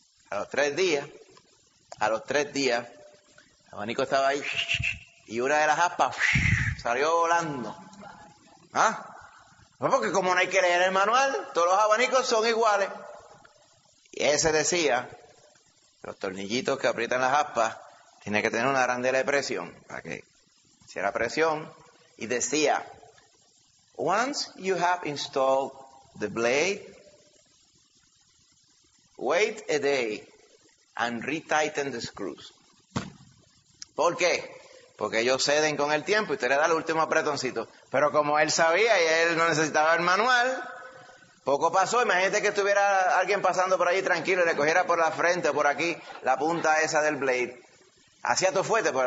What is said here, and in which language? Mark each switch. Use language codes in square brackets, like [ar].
[es] A los tres días, el abanico estaba ahí y una de las aspas salió volando. ¿Ah? No, porque como no hay que leer el manual, todos los abanicos son iguales. Y ese decía, los tornillitos que aprietan las aspas, tiene que tener una arandela de presión, para que hiciera presión. Y decía, [en] once you have installed the blade, wait a day and retighten the screws. [es] ¿Por qué? Porque ellos ceden con el tiempo y usted le da el último apretoncito. Pero como él sabía y él no necesitaba el manual, poco pasó. Imagínate que estuviera alguien pasando por allí tranquilo y le cogiera por la frente o por aquí la punta esa del blade. Hacía todo fuerte.